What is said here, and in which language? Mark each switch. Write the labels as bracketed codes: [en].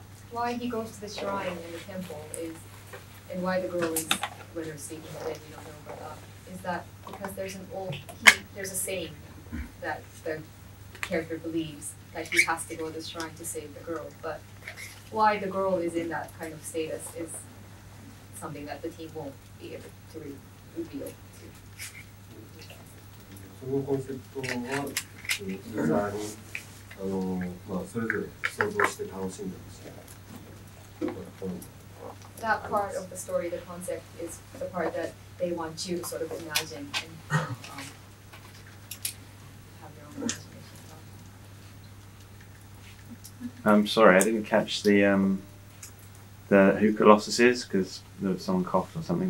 [en] Why he goes to the shrine in the temple is, and why the girl is with her sleeping bed, you don't know about that, is that because there's an old, there's a saying that the character believes that he has to go to the shrine to save the girl, but why the girl is in that kind of status is something that the team won't be able to reveal. [ja] そのコンセプトは、ユーザーに、まあ、それぞれ想像して楽しんでほしい。 [en] That part of the story, the concept, is the part that they want you to sort of imagine and have your own imagination. I'm sorry, I didn't catch the who Colossus is because there was someone coughed or something.